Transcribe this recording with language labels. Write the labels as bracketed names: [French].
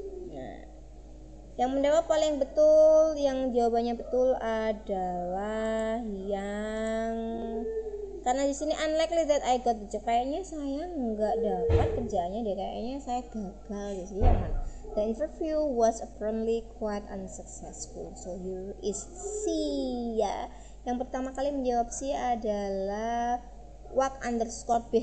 [Indonesian] Nah, yang menjawab paling betul, yang jawabannya betul adalah yang... Karena di sini [English] unlikely that I got the job. [Indonesian] Kayaknya saya nggak dapat kerjaannya deh. Kayaknya saya gagal di sini. [English] The interview was apparently quite unsuccessful. So here is C [Indonesian] ya. Yang pertama kali menjawab C adalah Wak underscore B.